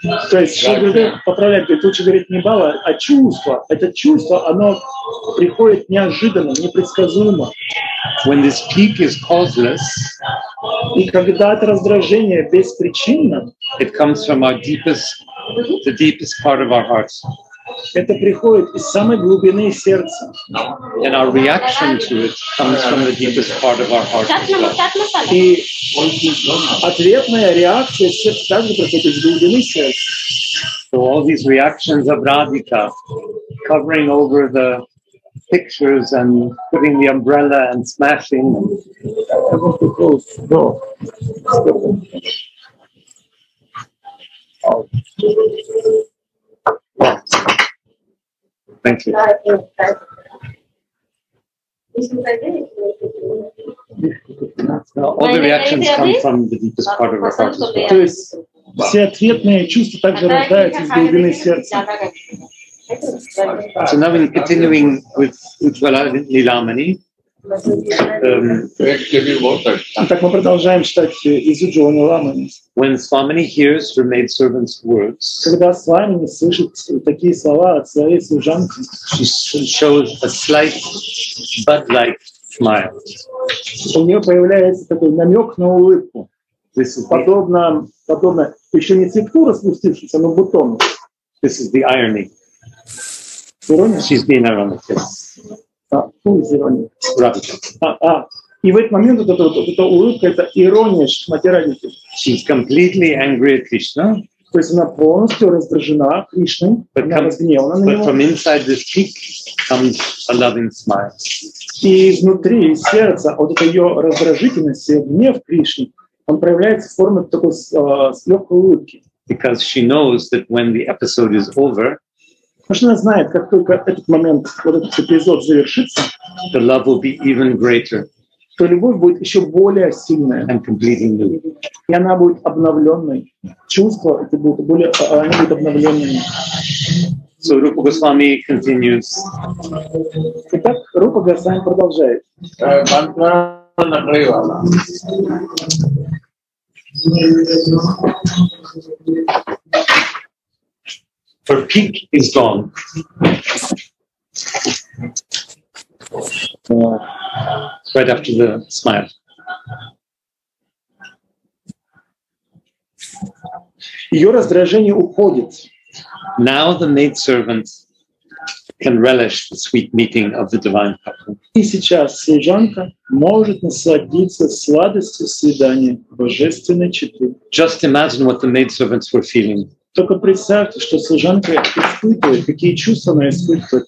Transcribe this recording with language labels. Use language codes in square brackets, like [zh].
[ru] То есть Шри Гурудев поправляет, говорит, лучше говорить не бала, а чувство. Это чувство, оно приходит неожиданно, непредсказуемо. [en] When this peak is causeless, [ru] и когда это раздражение беспричинно, [en] it comes from our deepest, the deepest part of our hearts. [ru] Это приходит из самой глубины сердца. [en] And our reaction to it comes from the deepest part of our heart. [ru] И ответная реакция также приходит из глубины сердца. [en] So all these reactions of Radhika, covering over the pictures and putting the umbrella and smashing. I want to close the door. Thank you. All the reactions come from the deepest part of our heart. [ru] То есть все ответные чувства также рождаются из глубины сердца. [en] So now we're continuing with Ujjvala Nilamani. [ru] Так мы продолжаем читать из Ujjvala Nilamani. [en] When Swamini hears her maidservant's words, [ru] когда Свамини слышит такие слова от своей служанки, [en] she shows a slight bud-like smile. [ru] У нее появляется такой намек на улыбку, подобно еще не цветку распустившемуся, но бутону. [en] This is the irony. She's being ironic. Yes. [ru] И в этот момент эта улыбка, это ирония Шримати Радхики. [en] She's completely angry at Krishna. [ru] То есть она полностью раздражена Кришной. [en] But, but from inside this peak comes a loving smile. [ru] И изнутри сердца вот это ее раздражительность, ее гнев Кришны, он проявляется в форме такой легкой улыбки. [en] Because she knows that when the episode is over, [ru] Потому что она знает, как только этот момент, вот этот эпизод завершится, [en] the love will be even greater. [ru] То любовь будет еще более сильная. [en] And completely new. [ru] И она будет обновленной. Чувства это будут более, они будут обновленными. [en] So Rupa Goswami continues. [ru] Итак, Рупа Госвами продолжает. Мантра Нагривана. [en] Her peak is gone. Right after the smile. [ru] Ее раздражение уходит. [en] Now the maidservant can relish the sweet meeting of the divine couple. [ru] И сейчас служанка может насладиться сладостью свидания божественной четы. [en] Just imagine what the maidservants were feeling. [ru] Только представьте, что служанка испытывает, какие чувства она испытывает.